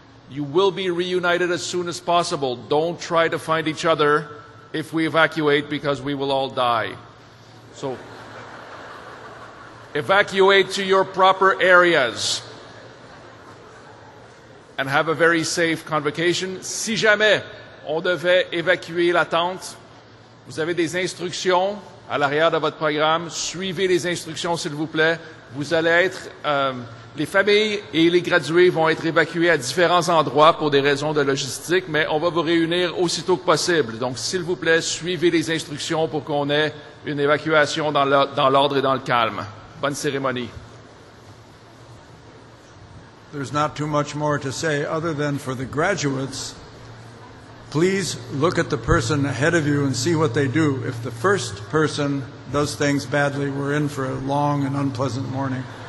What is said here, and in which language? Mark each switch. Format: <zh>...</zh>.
<en>You will be reunited as soon as possible. Don't try to find each other if we evacuate, because we will all die. So evacuate to your proper areas and have a very safe convocation.</en> <fr>Si jamais on devait évacuer la tente, vous avez des instructions à l'arrière de votre programme. Suivez les instructions, s'il vous plaît. Vous allez être, les familles et les gradués vont être évacués à différents endroits pour des raisons de logistique, mais on va vous réunir aussitôt que possible. Donc, s'il vous plaît, suivez les instructions pour qu'on ait une évacuation dans l'ordre et dans le calme. Bonne cérémonie.</fr> <en>There's not too much more to say other than for the graduates, please look at the person ahead of you and see what they do. If the first person does things badly, we're in for a long and unpleasant morning.</en>